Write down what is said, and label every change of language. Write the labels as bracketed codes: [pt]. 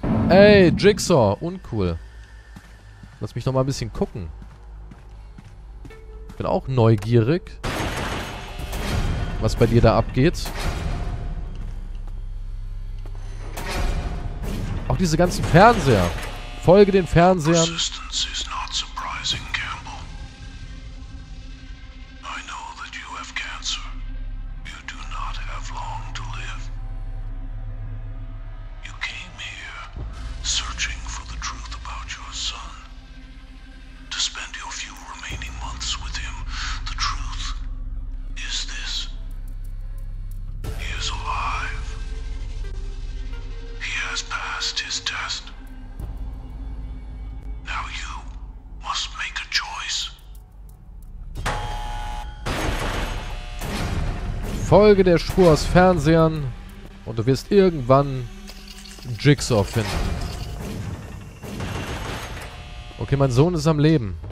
[de] Ey, Jigsaw, uncool. Lass mich noch mal ein bisschen gucken. Ich bin auch neugierig, was bei dir da abgeht. Auch diese ganzen Fernseher. Folge den Fernsehern. [en] Assistance is not surprising, Campbell. I know that you have cancer. You do not have long to live. You came here searching for the truth about your son. To spend your few remaining months with him. The truth is this. He is alive. He has passed his test. Now you must make a choice. [de] Folge der Spur aus Fernsehern. Und du wirst irgendwann Jigsaw finden. Okay, mein Sohn ist am Leben.